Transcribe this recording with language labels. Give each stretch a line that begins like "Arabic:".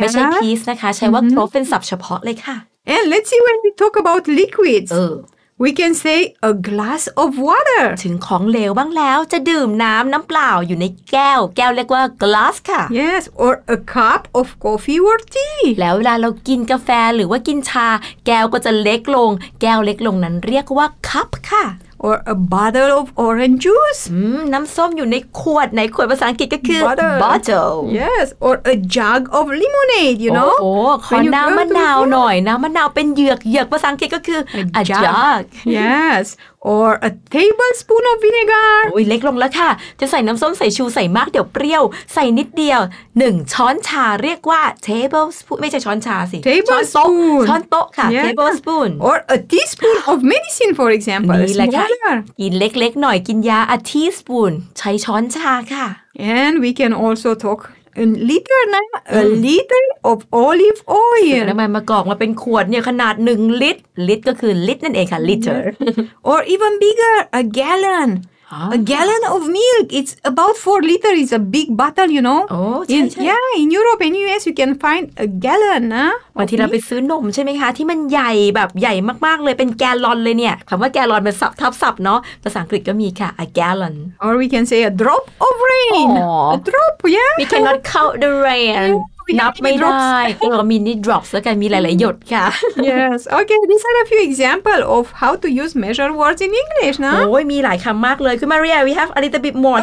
Thai: ไม่ใช่ piece นะคะใช้ว่า clove เป็นศัพท์เฉพาะ
English: And let's see when we talk about liquids. We can say a glass of water.
Thai: ถึงของเหลวบ้างแล้วจะดื่มน้ำน้ำเปล่าอยู่ในแก้วแก้วเรียกว่า glass ค่ะ
English: Yes, or a cup of coffee or tea.
Thai: แล้วเวลาเรากินกาแฟหรือว่ากินชาแก้วก็จะเล็กลงแก้วเล็กลงนั้นเรียกว่า cup ค่ะ
English: Or a bottle of orange juice.
Thai: น้ำส้มอยู่ในขวดไหนขวดภาษาอังกฤษก็คือ
English: bottle. Yes. Or a jug of lemonade. You know.
Thai: ขอน้ำมะนาวหน่อยน้ำมะนาวเป็นเหยือกภาษาอังกฤษก็คือ a jug.
English: Yes. Or a tablespoon of vinegar.
Thai: โอ้ยเล็กลงแล้วค่ะจะใส่น้ำส้มใส่ชูใส่มากเดี๋ยวเปรี้ยวใส่นิดเดียว1ช้อนชาเรียกว่า tablespoon ไม่ใช่ช้อนชาสิ
English: tablespoon
Thai: ช้อนโต๊ะค่ะ tablespoon
English: or a teaspoon of medicine for example
Thai: นี่แหละค่ะกินเล็กๆหน่อยกินยา a teaspoon ใช้ช้อนชาค่ะ
English: and we can also talk a liter now a liter of olive oil
Thai: ทำไมมากอกมาเป็นขวดเนี่ยขนาด1ลิตรลิตรก็คือลิตรนั่นเองค่ะ liter
English: or even bigger a gallon a gallon of milk it's about 4 liters it's a big bottle you know in Europe and US you can find a gallon นะ
Thai: บางทีเราไปซื้อนมใช่ไหมคะที่มันใหญ่แบบใหญ่มากๆเลยเป็นแกลลอนเลยเนี่ยคำว่าแกลลอนเป็นศัพท์ทับศัพท์เนาะภาษาอังกฤษก็มีค่ะ a gallon
English: or we can say a drop of rain a drop yeah we cannot count the rain yeah.
Thai: นับไม่ได้เออ
English: mini drops
Thai: แล้วกันมีหลายๆหยดค่ะ
English: yes okay these are a few example of how to use measure words in English นะ
Thai: โอ้ยมีหลายคำมากเลยคุณ Maria
English: we have a little bit more